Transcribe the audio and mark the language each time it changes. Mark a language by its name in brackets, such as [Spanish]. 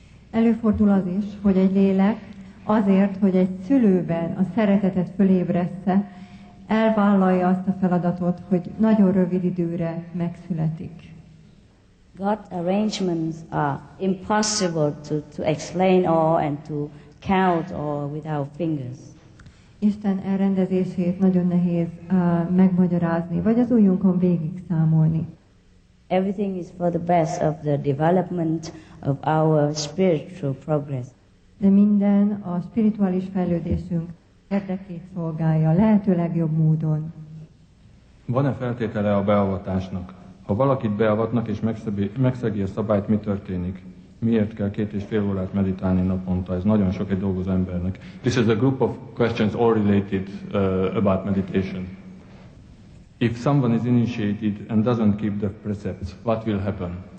[Hungarian] Előfordul az is, hogy egy lélek azért, hogy egy szülőben a szeretetet fölébressze, elvállalja azt a feladatot, hogy nagyon rövid időre megszületik. [English] God arrangements are impossible to explain all and to count all with our fingers. [Hungarian] Isten elrendezését nagyon nehéz megmagyarázni, vagy az ujjunkon végig számolni. [English] Everything is for the best of the development of our spiritual progress. [Hungarian] De minden a spirituális fejlődésünk érdekét szolgálja, lehetőleg jobb módon. Van-e feltétele a beavatásnak? Ha Ha valakit beavatnak és megszegi a szabályt, mi történik? Miért kell 2.5 órát meditálni naponta? Ez nagyon sok egy dolgozó embernek. [English] This is a group of questions all related about meditation. If someone is initiated and doesn't keep the precepts, what will happen?